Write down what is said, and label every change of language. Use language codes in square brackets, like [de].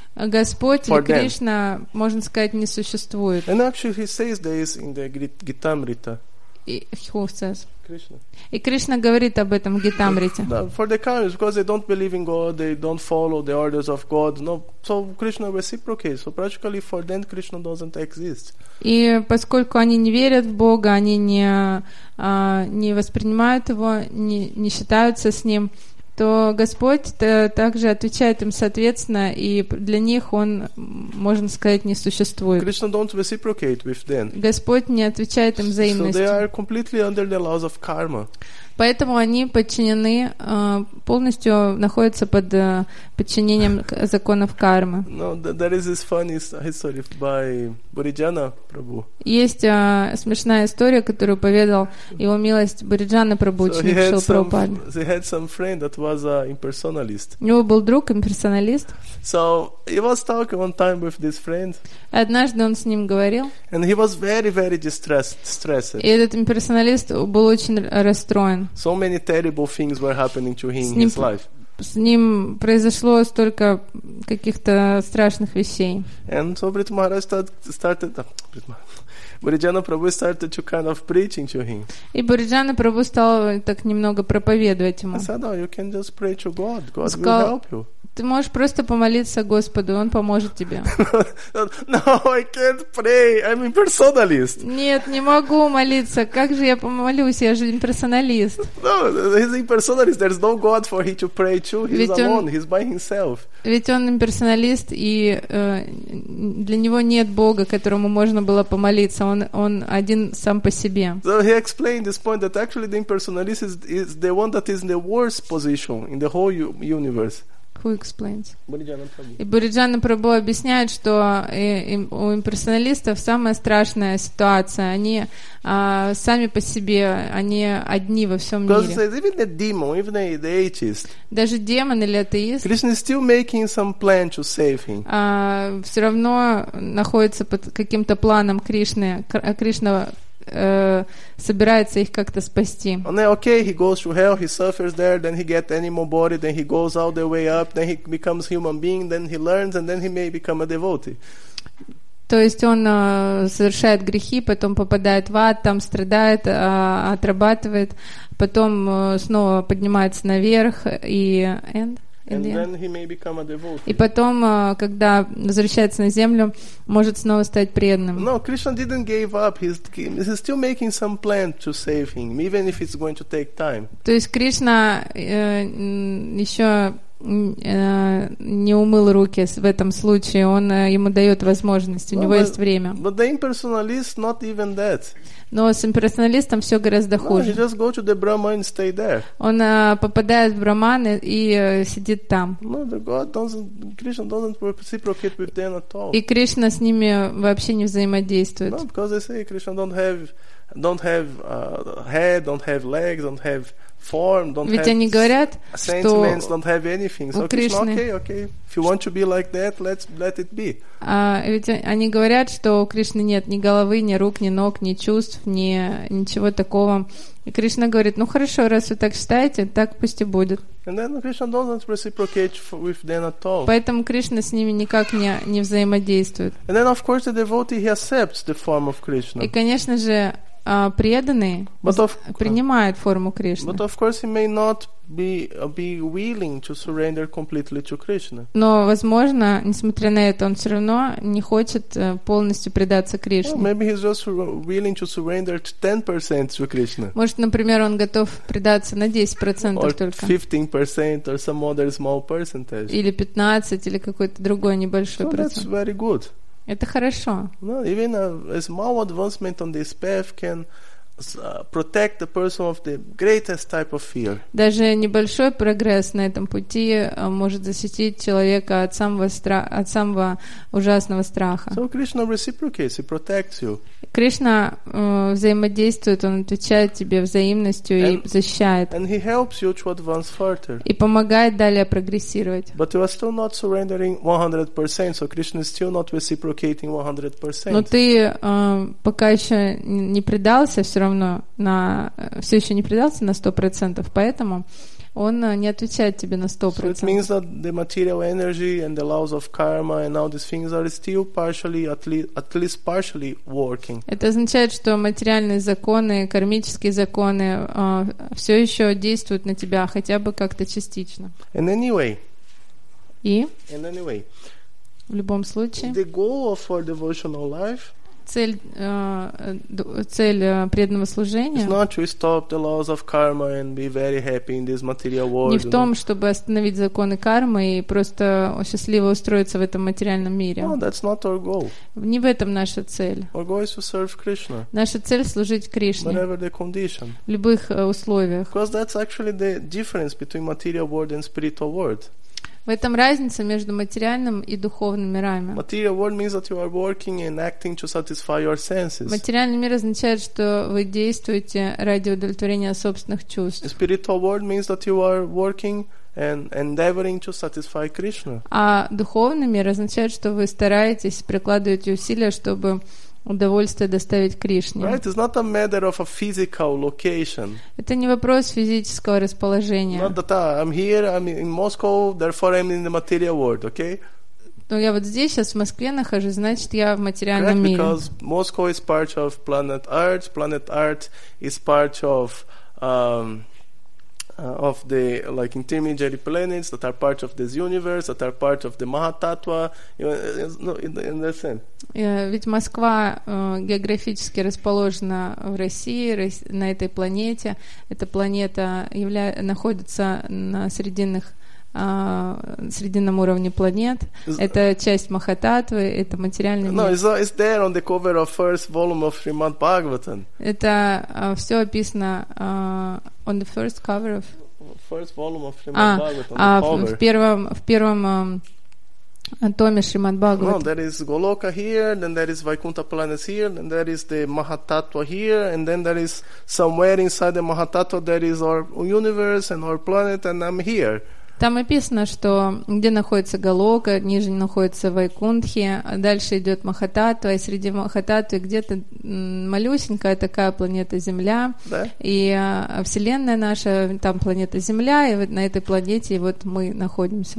[ru] Господь или Кришна, можно сказать, не существует. [en] And actually, he says this in the Gitamrita. Who says? [ru] И Кришна говорит об этом в Гитамрите. [en] For the karmis, because they don't believe in God, they don't follow the orders of God. No, so Krishna reciprocates. So practically for them, Krishna doesn't exist. [ru] И поскольку они не верят в Бога, они не воспринимают его, не считаются с ним, то Господь также отвечает им соответственно, и для них Он, можно сказать, не существует. [en] Krishna don't reciprocate with them. [ru] Господь не отвечает им взаимностью. [en] So they are completely under the laws of karma. [ru] Поэтому они подчинены, полностью находятся под подчинением законов кармы. [en] No, there is this funny history by Buridjana Prabhu. [ru] Есть смешная история, которую поведал его милость Буриджана Прабху, ученик Шрилы Прабхупады. [en] He had some friend that was an impersonalist. [ru] У него был друг имперсоналист. [en] So he was talking one time with this friend. [ru] Однажды он с ним говорил. [en] And he was very, very distressed. [ru] И этот имперсоналист был очень расстроен. [en] So many terrible things were happening to him in his life. [ru] С ним произошло столько каких-то страшных вещей. [en] And so Brita Maharaj Buridjana Prabhu started to kind of preaching to him. [ru] И Буриджана Прабху стал так немного проповедовать ему. [en] I said, no, you can just pray to God. God will help you. [ru] Ты можешь просто помолиться Господу, Он поможет тебе. [en] No, I can't pray. I'm impersonalist. [ru] Нет, не могу молиться. Как же я помолюсь? Я же имперсоналист. [en] No, he's impersonalist. There's no God for him to pray to. He's [ru] ведь [en] alone. [ru] Он, [en] he's by himself. [ru] Ведь он имперсоналист, и для него нет Бога, которому можно было помолиться. Он один сам по себе. [en] So he explained this point that actually the impersonalist is the one that is in the worst position in the whole universe. Who explains? [ru] И Буриджана Прабху объясняет, что у имперсоналистов самая страшная ситуация. Они сами по себе, они одни во всем мире. [en] Even the demon, even the atheist, [ru] даже демон или атеист, [en] Krishna is still making some plan to save him. [ru] Все равно находится под каким-то планом Кришны. Кришна собирается их как-то спасти. [en] Okay, he goes to hell, he suffers there, then he gets animal body, then he goes all the way up, then he becomes human being, then he learns, and then he may become a devotee. [ru] То есть он совершает грехи, потом попадает в ад, там страдает, отрабатывает, потом снова поднимается наверх и [en] end. And then he may become a devotee. [ru] И потом, когда возвращается на землю, может снова стать преданным. [en] No, Krishna didn't give up. He's still making some plan to save him, even if it's going to take time. [ru] То есть Кришна еще не умыл руки в этом случае. Он ему дает возможность. У него есть время. [en] But the impersonalist not even that. [ru] Но с имперсоналистом все гораздо хуже. [en] No, he just go to the Brahman and stay there. [ru] Он попадает в Брахман и сидит там. [en] No, the God doesn't, Krishna doesn't reciprocate with them at all. [ru] И Кришна с ними вообще не взаимодействует. [en] No, because they say Krishna don't have head, don't have legs, don't have form, don't [ru] ведь [en] have [ru] они говорят, [en] sentiments, [ru] что [en] don't have anything. So Krishna, okay, if you want to be like that, let's let it be. [ru] Ведь они говорят, что у Кришны нет ни головы, ни рук, ни ног, ни чувств, ничего такого. И Кришна говорит, ну хорошо, раз вы так считаете, так пусть и будет. [en] And then Krishna doesn't reciprocate with them at all. [ru] Поэтому Кришна с ними никак не взаимодействует. [en] And then of course the devotee, he accepts the form of Krishna. [ru] И конечно же преданный принимает форму Кришны. [en] But of course he may not be willing to surrender completely to Krishna. [ru] Но возможно, несмотря на это, он все равно не хочет полностью предаться Кришне. [en] Well, maybe he's just willing to surrender 10% to Krishna. [ru] Может, например, он готов предаться на 10% [en] or [ru] только. [en] 15% or some other small percentage. [ru] Или 15, или какой-то другой небольшой [en] so [ru] процент. [en] That's very good. [ru] Это хорошо. [en] No, even a small advancement on this path can protect the person of the greatest type of fear. [ru] Даже небольшой прогресс на этом пути может защитить человека от самого ужасного страха. [en] So Krishna reciprocates, he protects you. [ru] Кришна взаимодействует, он отвечает тебе взаимностью и защищает. [en] And he helps you to advance further. [ru] И помогает далее прогрессировать. [en] But you are still not surrendering 100%, so Krishna is still not reciprocating 100%. [ru] Но ты пока еще не предался, все равно все еще не предался на 100%, поэтому он не отвечает тебе на 100%. [en] So it means that the material energy and the laws of karma and all these things are still partially, at least partially working. [ru] Это означает, что материальные законы, кармические законы все еще действуют на тебя, хотя бы как-то частично. [en] And anyway. [ru] И? [en] And anyway. [ru] В любом случае. [en] The goal of our devotional life. [ru] цель преданного служения. [en] It's not to stop the laws of karma and be very happy in this material world. [ru] Не в том, чтобы остановить законы кармы и просто счастливо устроиться в этом материальном мире. [en] No, that's not our goal. [ru] Не в этом наша цель. [en] Our goal is to serve Krishna. [ru] Наша цель служить Кришне. [en] Whatever the condition. [ru] В любых условиях. [en] Because that's actually the difference between material world and spiritual world. [ru] В этом разница между материальным и духовным мирами. [en] Material world means that you are working and acting to satisfy your senses. [ru] Материальный мир означает, что вы действуете ради удовлетворения собственных чувств. [en] Spiritual world means that you are working and endeavoring to satisfy Krishna. [ru] А духовный мир означает, что вы стараетесь, прикладываете усилия, чтобы удовольствие доставить Кришне. [en] Right, it's not a matter of a physical location. [ru] Это не вопрос физического расположения. [en] Not that I'm here, I'm in Moscow, therefore I'm in the material world, okay? [ru] Но я вот здесь сейчас в Москве нахожусь, значит, я в материальном [en] right, [ru] мире. [en] Right, because Moscow is part of planet Earth. Planet Earth is part of of the like intermediary planets that are part of this universe, that are part of the Mahatattva. No, understand? [ru] Ведь Москва географически расположена в России, на этой планете. Эта планета находится на срединном уровне планет. Это часть Махататвы, это материальный мир. [en] No, it's there on the cover of first volume of Srimad Bhagavatam. [ru] Это все описано [en] on the first cover of... First volume of Srimad Bhagavatam, the cover. [ru] В первом томе Шримад Бхагаватам. [en] No, there is Голока here, then there is Vaikuntha planets here, then there is the Mahatattva here, and then there is somewhere inside the Mahatattva there is our universe and our planet, and I'm here. [ru] Там описано, что где находится Голока, ниже находится Вайкунтхи, а дальше идет Махататва, и среди Махататвы где-то малюсенькая такая планета Земля, да? И Вселенная наша, там планета Земля, и вот на этой планете вот мы находимся.